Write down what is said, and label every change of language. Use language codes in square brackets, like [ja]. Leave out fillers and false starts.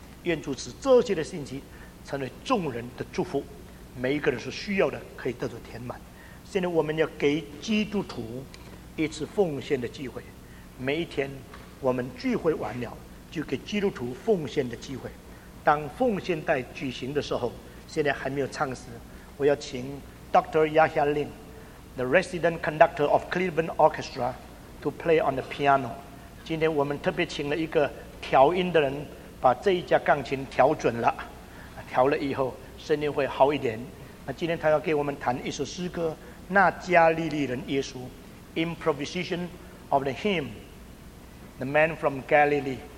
[zh] 愿主使这些的信息成为众人的祝福，每一个人是需要的，可以得到填满。现在我们要给基督徒一次奉献的机会，每一天我们聚会完了就给基督徒奉献的机会。当奉献带举行的时候，现在还没有唱诗，我要请 Dr. [en] Yahya Lin, the resident conductor of Cleveland Orchestra, to play on the piano. [zh] 今天我们特别请了一个调音的人把这一架钢琴调准了，调了以后声音会好一点。那今天他要给我们弹一首诗歌，那加利利人耶稣 [en] Improvisation of the hymn The Man from Galilee.